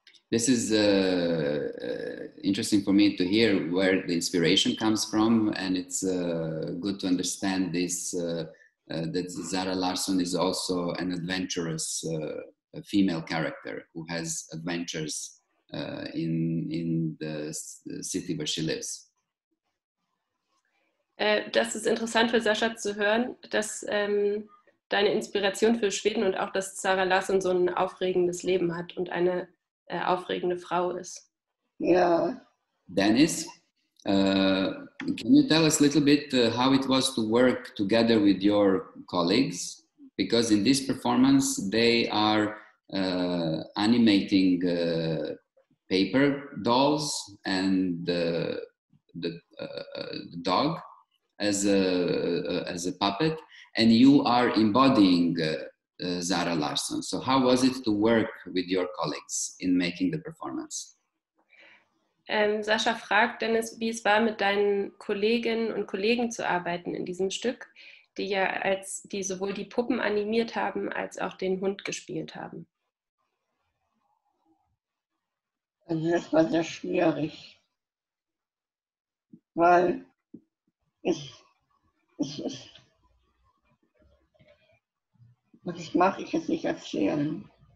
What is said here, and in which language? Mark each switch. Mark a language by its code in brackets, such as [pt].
[en] This is interesting for me to hear where the inspiration comes from, and it's good to understand this that Zara Larsson is also an adventurous female character who has adventures in the city where she lives. [de] Das ist interessant für Sascha zu hören, dass deine Inspiration für Schweden und auch, dass Zara Larsson so ein aufregendes Leben hat und eine aufregende Frau ist. Ja. [en] Dennis, can you tell us a little bit how it was to work together with your colleagues? Because in this performance they are animating paper dolls and the dog as a puppet, and you are embodying Zara Larsson. So how was it to work with your colleagues in making the performance? [de] Sascha fragt Dennis, wie es war, mit deinen Kolleginnen und Kollegen zu arbeiten in diesem Stück, die ja als die sowohl die Puppen animiert haben als auch den Hund gespielt haben. Also das war sehr schwierig, weil ich es nicht erzählen.